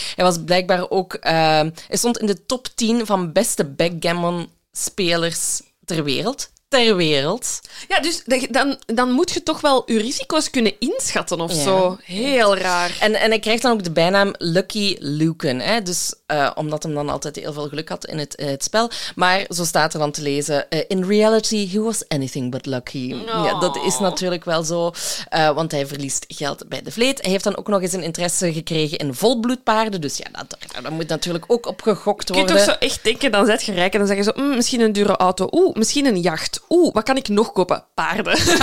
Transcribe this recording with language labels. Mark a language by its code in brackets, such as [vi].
[nl] Hij was blijkbaar ook, hij stond in de top 10 van beste backgammon spelers ter wereld. Ter wereld. Ja, dus dan moet je toch wel je risico's kunnen inschatten of zo. Ja. Heel raar. En hij krijgt dan ook de bijnaam Lucky Lucan. Hè? Dus omdat hem dan altijd heel veel geluk had in het spel. Maar zo staat er dan te lezen, [en] in reality, he was anything but lucky. No. [nl] Ja, dat is natuurlijk wel zo, want hij verliest geld bij de vleet. Hij heeft dan ook nog eens een interesse gekregen in volbloedpaarden. Dus ja, dat moet natuurlijk ook opgegokt worden. Je kunt toch zo echt denken, dan zet je rijk en dan zeggen ze, misschien een dure auto, misschien een jacht. Oeh, wat kan ik nog kopen? Paarden.